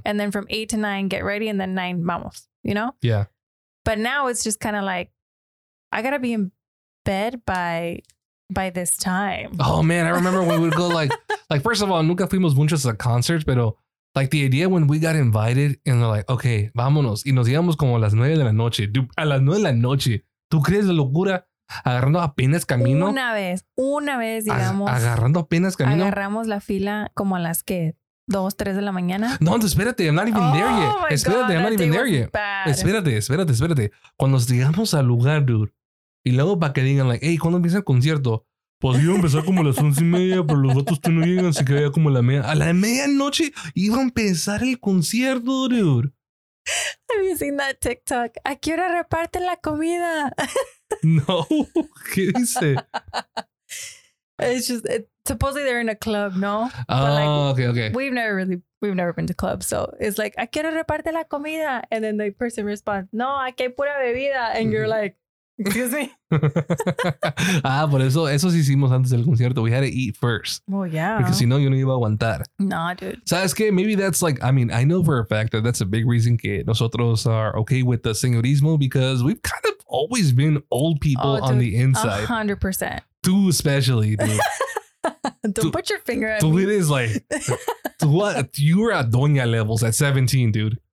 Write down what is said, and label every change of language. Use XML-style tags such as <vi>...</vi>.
<en>And then from 8 to 9, get ready. And then 9,</en> <es>vamos.</es> <en>You know? Yeah. But now it's just kind of like, I gotta be in bed by this time. Oh, man. I remember when we would go like, like, first of all,</en> <es>nunca fuimos muchos a</es> <en>concerts,</en> <es>pero</es> <en>like the idea when we got invited and they're like, okay,</en> <es>vámonos. Y nos íbamos como a las 9 de la noche. Dude, a las 9 de la noche. ¿Tú crees la locura? Agarrando apenas camino. Una vez, digamos. Agarrando apenas camino. Agarramos la fila como a las que 2, 3 de la mañana. No, espérate,</es> <en>I'm not even there yet.</en> <es>Espérate,</es> <en>I'm not even there yet. Espérate.</en> <es>Cuando llegamos al lugar, dude, y luego para que digan,</es> <en>like, hey,</en> <es>¿cuándo empieza el concierto? Pues iba a empezar como a las 11:30, pero los datos no llegan, así que había como a la medianoche iba a empezar el concierto, dude.</es> <en>Have you seen that TikTok?</en> <es>¿A qué hora reparten la comida? No. ¿Qué dice?</es> <en>It's just, supposedly they're in a club,</en> <es>¿no?</es> <en>Okay. We've never been to clubs. So it's like,</en> <es>¿a qué hora reparten la comida?</es> <en>And then the person responds,</en> <es>no, aquí hay pura bebida.</es> <en>And you're like, excuse me.</en> <es>Ah, por eso sí hicimos antes del concierto.</es> <en>We had to eat first. Well, yeah. Because</en> <es>si no, yo no iba a aguantar.</es> <en>Nah, dude.</en> <es>¿Sabes qué?</es> <en>Maybe that's like, I mean, I know for a fact that that's a big reason</en> <es>que nosotros</es> <en>are okay with the señorismo because we've kind of always been old people on the inside. 100%.</en> <es>Tú</es> <en>especially, dude. Don't put your finger at</en> <es>tú</es> <en>me.</en> <es>Tú eres</es> <en>like,</en> <es>tú,</es> <en>what? You were at doña levels at 17, dude.</en>